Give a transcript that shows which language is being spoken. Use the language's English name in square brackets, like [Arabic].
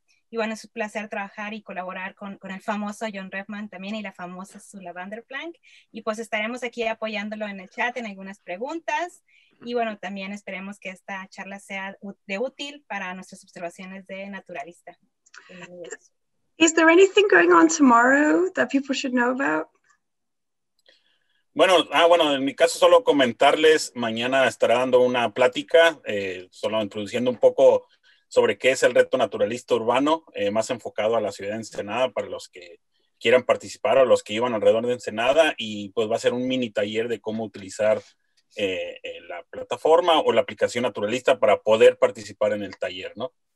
[Spanish] Y bueno, es un placer trabajar y colaborar con el famoso John Redman también y la famosa Sula Vanderplank. Y pues estaremos aquí apoyándolo en el chat en algunas preguntas. Y bueno, también esperemos que esta charla sea de útil para nuestras observaciones de naturalista. [English] Is there anything going on tomorrow that people should know about? [Spanish] Bueno, en mi caso solo comentarles, mañana estará dando una plática, solo introduciendo un poco sobre qué es el reto naturalista urbano, más enfocado a la ciudad de Ensenada para los que quieran participar o los que iban alrededor de Ensenada, y pues va a ser un mini taller de cómo utilizar la plataforma o la aplicación naturalista para poder participar en el taller, ¿no?